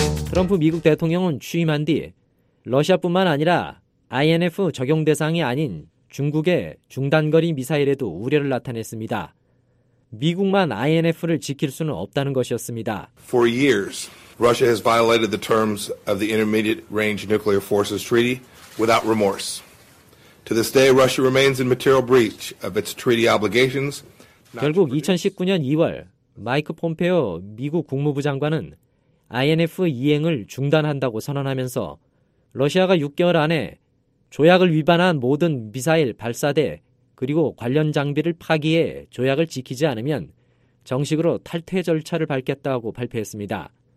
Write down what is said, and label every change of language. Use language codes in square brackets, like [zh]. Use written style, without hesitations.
[ko] 트럼프 미국 대통령은 취임한 뒤 러시아뿐만 아니라 INF 적용 대상이 아닌 중국의 중단거리 미사일에도 우려를 나타냈습니다. 미국만 INF를 지킬 수는 없다는 것이었습니다. [en] For years, Russia has violated the terms of the Intermediate Range Nuclear Forces Treaty without remorse. To this day, Russia remains in material breach of its treaty obligations. [ko] 결국 2019년 2월 마이크 폼페오 미국 국무부 장관은 INF 이행을 중단한다고 선언하면서 러시아가 6개월 안에 조약을 위반한 모든 미사일 발사대 그리고 관련 장비를 파기해 조약을 지키지 않으면 정식으로 탈퇴 절차를 밟겠다고 발표했습니다.